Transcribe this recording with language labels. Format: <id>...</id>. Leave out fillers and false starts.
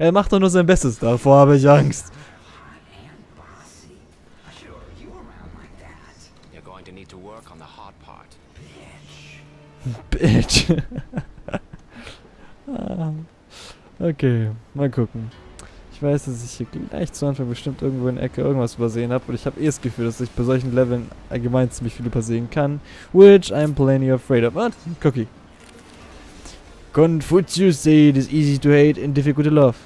<de>Er macht doch nur sein Bestes, davor habe ich Angst.</de> <en>You're going to need to work on the hard part. Bitch.</en> <de>Okay, mal gucken. Ich weiß, dass ich hier gleich zu Anfang bestimmt irgendwo in der Ecke irgendwas übersehen habe. Und ich habe eh das Gefühl, dass ich bei solchen Leveln allgemein ziemlich viel übersehen kann.</de> <en>Which I'm plenty afraid of.</en> <de>Und, Cookie.</de> <en>Confucius say it is easy to hate and difficult to love.</en>